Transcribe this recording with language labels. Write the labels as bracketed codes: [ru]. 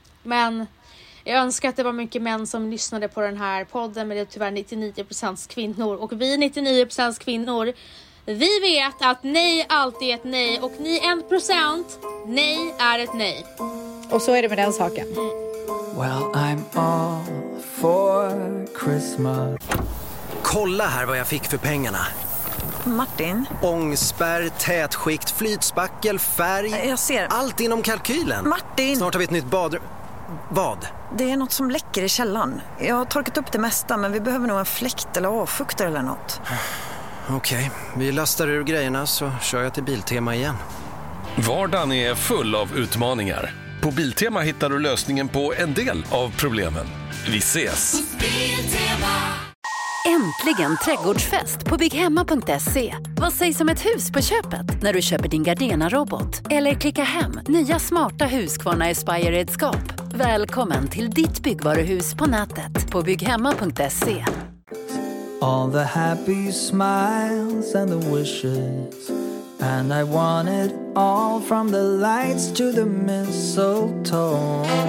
[sv] Men jag önskar att det var mycket män som lyssnade på den här podden. Men det är tyvärr 99% kvinnor. Och vi 99% kvinnor... vi vet att nej alltid är ett nej. Och ni 1%, nej är ett nej. Och så är det med den saken. [en] Well, I'm all for Christmas. [sv] Kolla här vad jag fick för pengarna. Martin. Ångspärr, tätskikt, flytspackel, färg. Jag ser. Allt inom kalkylen. Martin. Snart har vi ett nytt badrum. Vad? Det är något som läcker i källaren. Jag har torkat upp det mesta, men vi behöver nog en fläkt eller avfuktare eller något. Okej, okay. Vi lastar ur grejerna så kör jag till Biltema igen. Vardagen är full av utmaningar. På Biltema hittar du lösningen på en del av problemen. Vi ses. Biltema. Äntligen trädgårdsfest på bygghemma.se. Vad sägs om ett hus på köpet när du köper din Gardena-robot? Eller klicka hem nya smarta Husqvarna Aspire-redskap. Välkommen till ditt byggvaruhus på nätet på bygghemma.se. [en] All the happy smiles and the wishes, and I want it all, from the lights to the mistletoe.